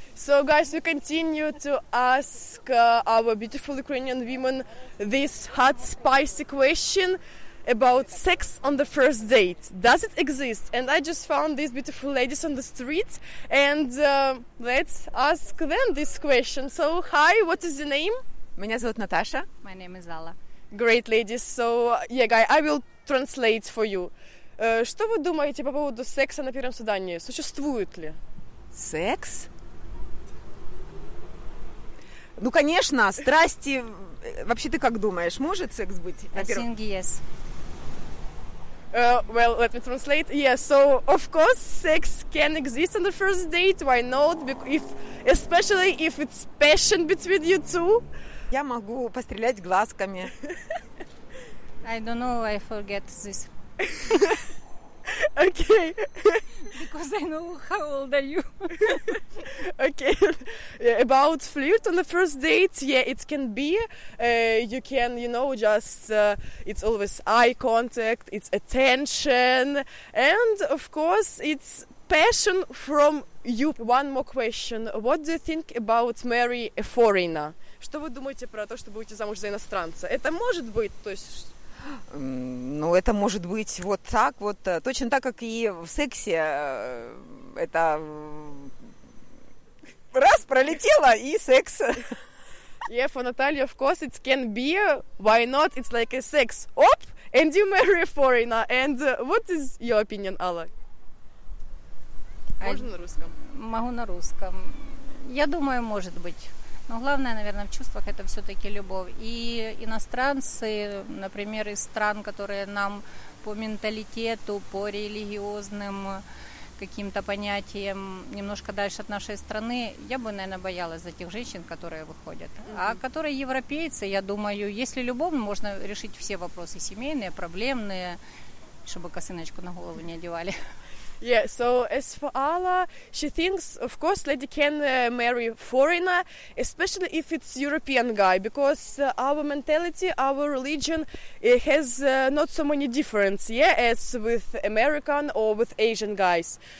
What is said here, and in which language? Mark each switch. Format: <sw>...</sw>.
<en>So, guys, we continue to ask our beautiful Ukrainian women this hot, spicy question about sex on the first date. Does it exist? And I just found these beautiful ladies on the street, and let's ask them this question. So, hi, what is your name?</en> <ru>Меня зовут Наташа.</ru> <en>My name is Алла. Great, ladies. So, yeah, guys, I will translate for you.</en> <ru>Что вы думаете по поводу секса на первом свидании? Существует ли? Секс? Ну, конечно, страсти... Вообще, ты как думаешь, может секс быть на первом?</ru> <en>I think yes. Well, let me translate. Yeah, so, of course, sex can exist on the first date. Why not? If, especially if it's passion between you two.</en> <ru>Я могу пострелять глазками.</ru> <en>I don't know, I forget this. Okay. Because I know how old are you. Okay. Yeah, about flirt on the first date, yeah, it can be. You can, you know, just it's always eye contact, it's attention, and of course it's passion from you. One more question. What do you think about marry a foreigner?</en> <ru>Что вы думаете про то, чтобы выйти замуж за иностранца? Это может быть, то есть. Ну, это может быть вот так, вот точно так, как и в сексе, это раз, пролетело, и секс.</ru> <en>Yeah, for Natalia, of course, it can be. Why not? It's like a sex op, and you marry a foreigner. And what is your opinion, Алла?</en> <ru>Можно на русском? Могу на русском. Я думаю, может быть. Но главное, наверное, в чувствах это все-таки любовь. И иностранцы, например, из стран, которые нам по менталитету, по религиозным каким-то понятиям немножко дальше от нашей страны, я бы, наверное, боялась за тех женщин, которые выходят. А которые европейцы, я думаю, если любовь, можно решить все вопросы семейные, проблемные, чтобы косыночку на голову не одевали.</ru> <en>Yeah, so as for Alla, she thinks, of course, lady can marry foreigner, especially if it's European guy, because our mentality, our religion has not so many difference, yeah, as with American or with Asian guys.</en>